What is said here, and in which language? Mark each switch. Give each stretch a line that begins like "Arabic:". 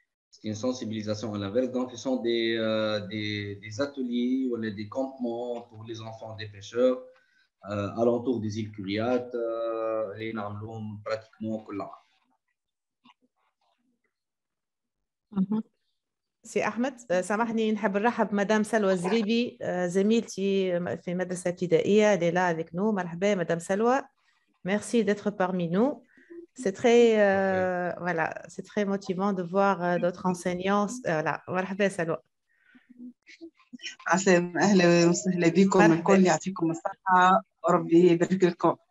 French: C'est une sensibilisation à l'inverse. Donc, ce sont des ateliers ou des campements pour les enfants des pêcheurs alentour des îles Curiates. Les Namlum, pratiquement, que là.
Arabic: سي أحمد، سامحني، نحب نرحب مدام سلوى الزريبي زميلتي في مدرسة ابتدائية ليلى
French: avec nous.
Arabic: مرحبا مدام سلوى،
French: merci d'être parmi nous. C'est très voilà, c'est très motivant de voir d'autres enseignants. Voilà.
Arabic: مرحبا سلوى. عسلام، أهلا وسهلا بكم الكل، يعطيكم الصحة وربي يبارك لكم.